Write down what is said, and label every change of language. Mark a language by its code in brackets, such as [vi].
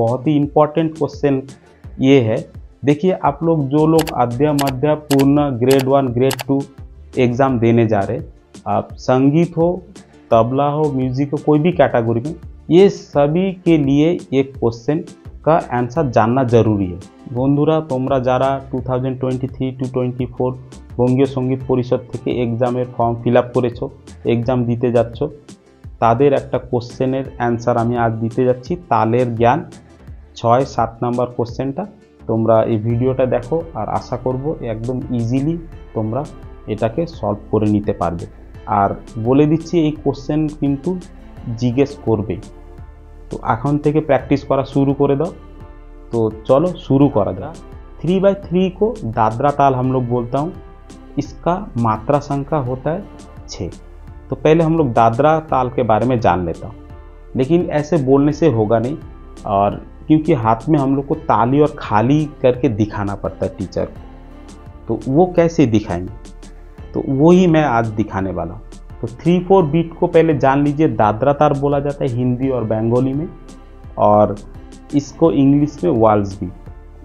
[hi] बहुत ही important question ये है। देखिए आप लोग, जो लोग अध्याय मध्या पूर्ण grade one grade two exam देने जा रहे, आप संगीत हो, तबला हो, म्यूजिक हो, कोई भी कैटेगरी में, ये सभी के लिए एक क्वेश्चन का आंसर जानना जरूरी है। [bn] बंधुरा तुम्हारा जरा 2023 टू 24 বঙ্গীয় সঙ্গীত পরিষদ থেকে এক্সামের ফর্ম ফিল আপ করেছো, এক্সাম দিতে যাচ্ছ, তাদের একটা কোশ্চেনের অ্যান্সার আমি আজ দিতে যাচ্ছি। তালের জ্ঞান 6-7 নম্বর কোশ্চেনটা, তোমরা এই ভিডিওটা দেখো আর আশা করব একদম ইজিলি তোমরা এটাকে সলভ করে নিতে পারবে। আর বলে দিচ্ছি, এই কোশ্চেন কিন্তু জিজ্ঞেস করবে, তো এখন থেকে প্র্যাকটিস করা শুরু করে দাও। তো চলো শুরু করা যাক। [hi] 3/3 কো দাদরা তাল হাম লোক বলতাম, इसका मात्रा संख्या होता है 6। तो पहले हम लोग दादरा ताल के बारे में जान लेता हूँ, लेकिन ऐसे बोलने से होगा नहीं, और क्योंकि हाथ में हम लोग को ताली और खाली करके दिखाना पड़ता है टीचर को, तो वो कैसे दिखाएंगे, तो वो ही मैं आज दिखाने वाला हूँ। तो 3/4 बीट को पहले जान लीजिए, दादरा ताल बोला जाता है हिंदी और बंगाली में, और इसको इंग्लिश में वाल्स बीट।